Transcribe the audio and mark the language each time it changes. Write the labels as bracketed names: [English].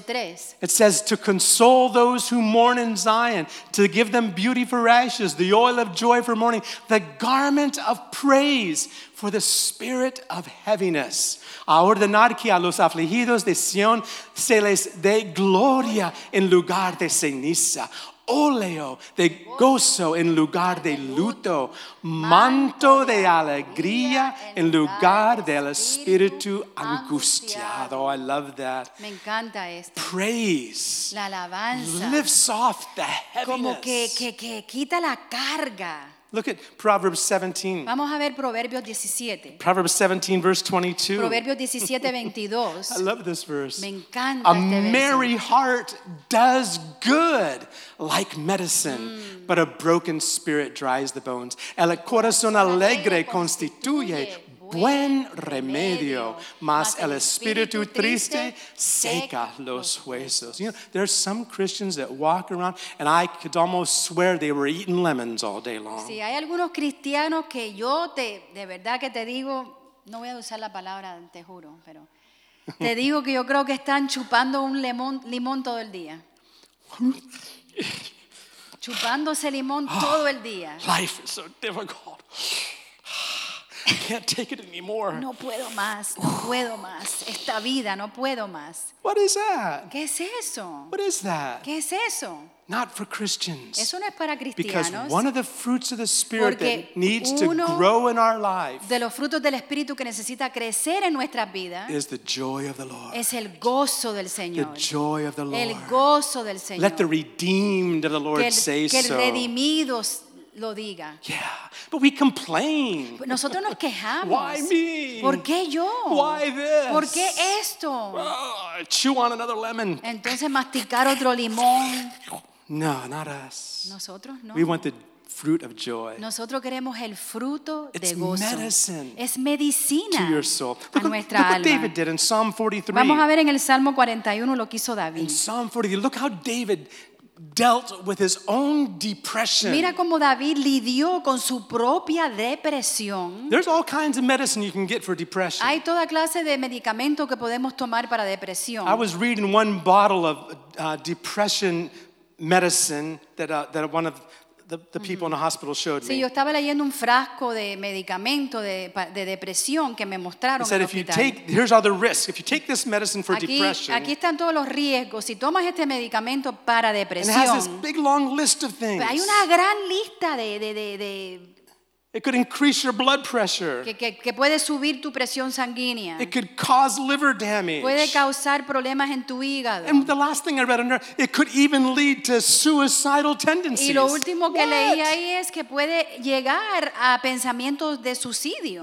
[English] 3. It says, to console those who mourn in Zion, to give them beauty for ashes, the oil of joy for mourning, the garment of praise for the spirit of heaviness. [Spanish] A ordenar que a los afligidos de Sion se les dé gloria en lugar de ceniza. Óleo de gozo en lugar de luto, manto de alegría en lugar del espíritu angustiado. [English] Oh, I love that. [Spanish] Me encanta esto. [English] Praise. [Spanish] La alabanza. [English] Lifts off the heaviness. [Spanish] Como que quita la carga. [English] Look at Proverbs 17. [Spanish] Vamos a ver Proverbios 17. [English] Proverbs 17, verse 22. [Spanish] Proverbios 17, 22. [English] I love this verse. [Spanish] Me encanta este verso. [English] A merry heart does good like medicine, but a broken spirit dries the bones. [Spanish] El corazón alegre constituye buen remedio, mas el espíritu triste seca los huesos. [English] You know, there's some Christians that walk around, and I could almost swear they were eating lemons all day long. [Spanish] Sí, hay algunos cristianos que yo te, de verdad que te digo, no voy a usar la palabra, te juro, pero te digo que yo creo que están chupando un limón todo el día. Chupándose limón todo el día. [English] Life is so difficult. I can't take it anymore. [Spanish] No puedo más, no puedo más. Esta vida, no puedo más. [English] What is that? [Spanish] ¿Qué es eso? [English] What is that? [Spanish] ¿Qué es eso? [English] Not for Christians. [Spanish] Eso no es para cristianos. [English] Because one of the fruits of the Spirit that needs to grow in our life. [Spanish] De los frutos del Espíritu que necesita crecer en nuestras vidas. [English] Is the joy of the Lord. [Spanish] Es el gozo del Señor. [English] The joy of the Lord. [Spanish] El gozo del Señor. [English] Let the redeemed of the Lord say so. [Spanish] Que el redimidos lo diga. [English] Yeah, but we complain. [Spanish] Nosotros nos quejamos. [English] Why me? [Spanish] ¿Por qué yo? [English] Why this? [Spanish] ¿Por qué esto? [English] Oh, chew on another lemon. [Spanish] Entonces masticar otro limón. [English] No, not us. [Spanish] Nosotros no. [English] We want the fruit of joy. [Spanish] Nosotros queremos el fruto de gozo. [English] It's medicine. [Spanish] Es medicina. [English] To your soul. Look, [Spanish] a nuestra alma. [English] Look what David did in Psalm 43. [Spanish] Vamos a ver en el Salmo 41 lo que hizo David. [English] In Psalm 43, look how David dealt with his own depression. [Spanish] Mira cómo David lidió con su propia depresión. [English] There's all kinds of medicine you can get for depression. [Spanish] Hay toda clase de medicamento que podemos tomar para depresión. [English] I was reading one bottle of depression medicine that one of the people in the hospital showed me. [Spanish] Sí, yo estaba leyendo un frasco de medicamento de depresión que me mostraron en el hospital. [English] He said, here's all the risks. If you take this medicine for depression, [Spanish] aquí están todos los riesgos. Si tomas este medicamento para depresión, [English] and it has this big long list of things. [Spanish] Hay una gran lista de [English] it could increase your blood pressure. [Spanish] Que puede subir tu presión sanguínea. [English] It could cause liver damage. [Spanish] Puede causar problemas en tu hígado. [English] And the last thing I read under, it could even lead to suicidal tendencies. [Spanish] Y lo último que leí ahí es que puede llegar a pensamientos de suicidio.